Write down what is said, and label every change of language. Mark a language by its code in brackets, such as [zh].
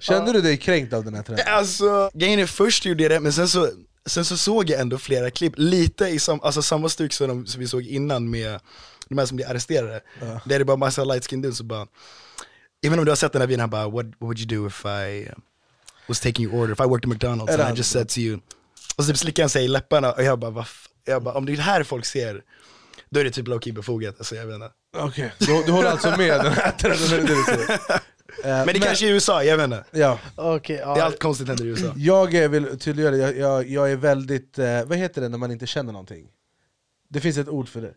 [sv] Kände du dig kränkt av den här trenden? Alltså, grejen är först gjorde jag det, men sen så såg jag ändå flera klipp. Lite i samma stuk som vi såg innan med de här som blev arresterade. Där det bara massa [en] light skin dudes [sv] och bara... Even om du har sett den här videon, han bara, [en] what would you do if I was taking your order, if I worked at McDonald's and I just said to you. [sv] Och så typ slickar han sig i läpparna och jag bara, om det är det här folk ser, då är det typ low-key befogat. Alltså, jag menar. Okej, okay. Du håller alltså med den här trenden. Men det är kanske är USA, jag vet inte. Ja. [en] Okay, [sv] det är allt konstigt händer i USA. Jag vill tydliggöra, jag är väldigt, vad heter det när man inte känner någonting? Det finns ett ord för det.